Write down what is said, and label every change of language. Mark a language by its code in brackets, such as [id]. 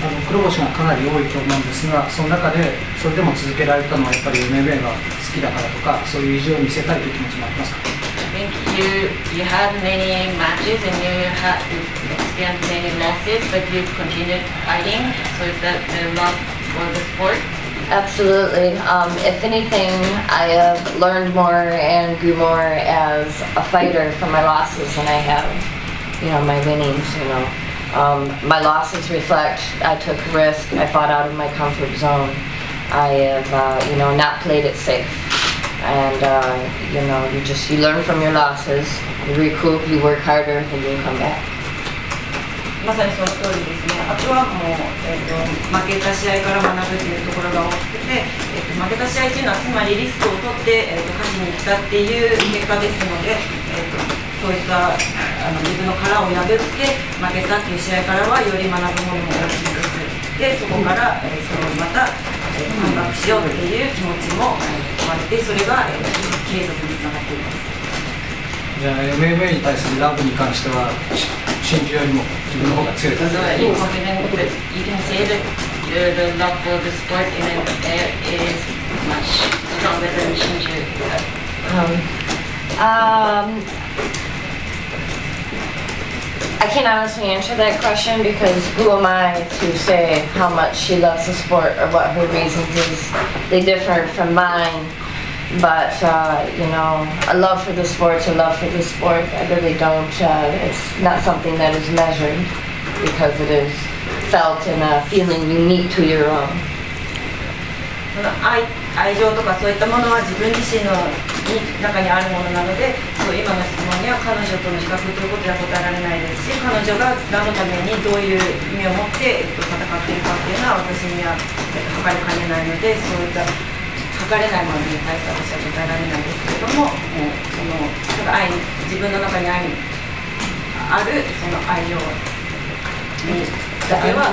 [ja] 黒星がかなり多いと思うんですが、その中でそれでも続けられたのはやっぱり MMA が好きだからとか、そういう意地を見せたいという気持ちもありますか？ [en] I think you had many matches and you had experienced many losses, but you continued fighting, so is that the love for the sport? Absolutely. If anything, I have learned more and grew more as a fighter from my losses than I have, my winnings, my losses reflect I took risk, I fought out of my comfort zone. I have, not played it safe. And, you learn from your losses, you recoup, you work harder, and you come back. [ja] まさにその通りですね。あとはもう、負けた試合から学ぶというところが大きくて、負けた試合というのはつまりリスクを取って、勝ちに行ったっていう結果ですので、そういった自分の殻を破って負けたっていう試合からはより学ぶものも大きいです。で、そこから、また反発しようっていう気持ちも生まれて、それが、継続につながっています。じゃあ MMA に対するラブに関しては真珠よりも自分の方が強いですね。 [en] You can say that your love for the sport in MMA is much stronger than 真珠。 I can't honestly answer that question because who am I to say how much she loves the sport or what her reasons is? They differ from mineBut, a love for the sport's a love for the sport. I really don't, it's not something that is measured because it is felt in a feeling unique to your own. [ja] 愛情とかそういったものは自分自身の中にあるものなので、そう今の質問には彼女との比較ということは答えられないですし、彼女が何のためにどういう意味を持って戦っているかっていうのは私には測りかねないので、そういった測れないものに対して私は答えられないですけれど もうそのただ愛に自分の中に愛あるその愛情にだけは